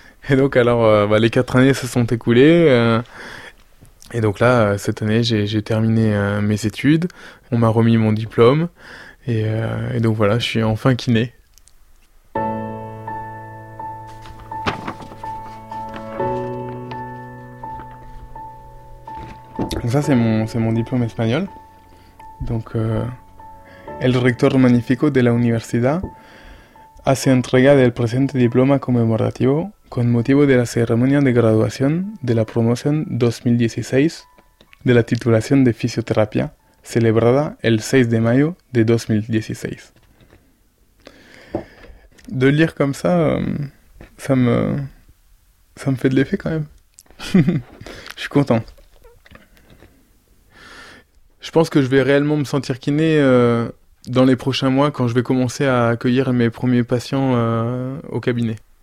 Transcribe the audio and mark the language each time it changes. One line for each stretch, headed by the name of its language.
French: Et donc alors, bah, les 4 années se sont écoulées. Et donc là, cette année, j'ai terminé mes études. On m'a remis mon diplôme. Et donc voilà, je suis enfin kiné. Donc ça, c'est mon diplôme espagnol.
Spanish: Donc, el rector magnífico de la universidad hace entrega del presente diploma conmemorativo con motivo de la ceremonia de graduación de la promoción 2016 de la titulación de fisioterapia celebrada el 6 de mayo de 2016.
French: De lire comme ça, ça me fait de l'effet quand même. Je suis content. Je pense que je vais réellement me sentir kiné dans les prochains mois quand je vais commencer à accueillir mes premiers patients au cabinet.